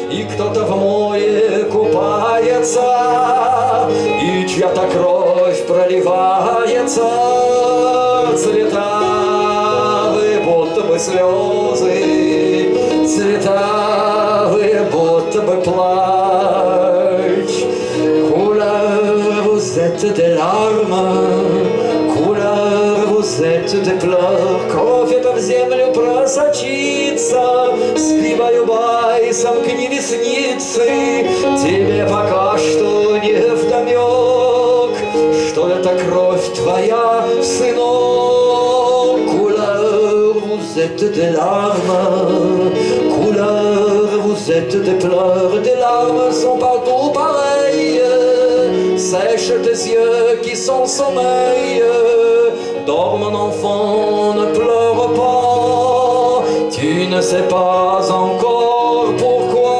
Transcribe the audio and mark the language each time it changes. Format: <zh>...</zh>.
<ru>И кто-то в море купается, и чья-то кровь проливается. Цвета вы будто бы слезы, цвета вы будто бы плач.</ru> <fr>Couleur, vous êtes de l'arme. Couleur, vous êtes de pleurs.</fr> <ru>Кровь это в землю просочится, бай-бай, сомкни ресницы. Тебе пока что невдомек, что это кровь твоя, сынок.</ru> <fr>Couleur, vous êtes de larmes. Couleur, vous êtes de pleurs. Des larmes sont partout pareilles, sèche tes yeux qui sont sommeil. Dors mon enfant, ne pleure pas, tu ne sais pas encore.</fr>